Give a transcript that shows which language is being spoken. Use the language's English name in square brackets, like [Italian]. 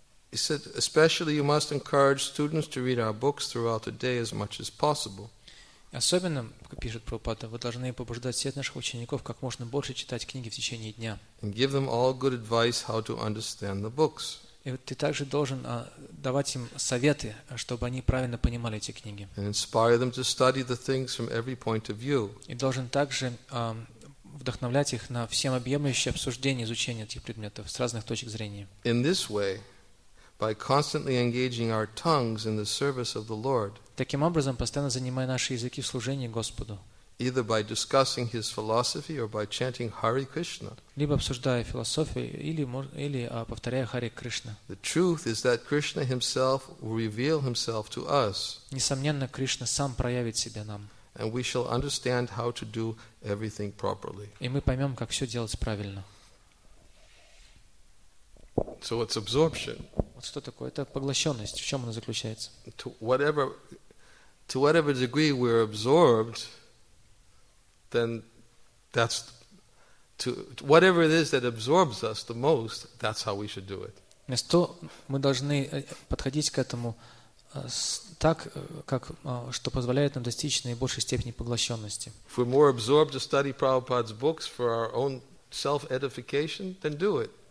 [English] He said, especially you must encourage students to read our books throughout the day as much as possible. [Russian] Особенно, пишет Прабхупада, вы должны побуждать всех наших учеников как можно больше читать книги в течение дня. [English] And give them all good advice how to understand the books. [Russian] И вот ты также должен давать им советы, чтобы они правильно понимали эти книги. [English] And inspire them to study the things from every point of view. [Russian] И должен также вдохновлять их на всеобъемлющее обсуждение, изучение этих предметов с разных точек зрения. [English] In this way, by constantly engaging our tongues in the service of the Lord. [Russian] Таким образом, постоянно занимая наши языки в служении Господу. [English] Either by discussing his philosophy or by chanting Hare Krishna. [Russian] Либо обсуждая философию или повторяя Харе Кришна. [English] The truth is that Krishna himself will reveal himself to us. [Russian] Несомненно, Кришна сам проявит себя нам. [English] And we shall understand how to do everything properly. [Russian] И мы поймём, как всё делать правильно. [English] So what's absorption? [Russian] Вот что такое? Это поглощенность. В чем она заключается? [English] To whatever degree we're absorbed, then that's to whatever it is that absorbs us the most. That's how we should do it. [Russian] Место мы должны подходить к этому так, как что позволяет нам достичь наибольшей степени поглощенности. [English] If we're more absorbed to study Prabhupada's books for our own self-edification, then do it.